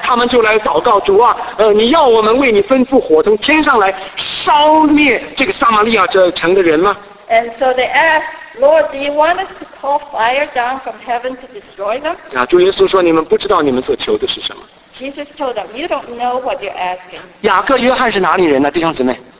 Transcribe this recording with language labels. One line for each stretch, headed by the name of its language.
Chinese: 他们就来祷告主啊，你要我们为你吩咐火从天上来烧灭这个撒玛利亚这城的人吗？
English: And so they asked, Lord, do you want us to call fire down from heaven to destroy them?
Chinese: 主耶稣说，你们不知道你们所求的是什么。
English: Jesus told them, "You don't know what you're asking."
Chinese: 雅各、约翰是哪里人呢，弟兄姊妹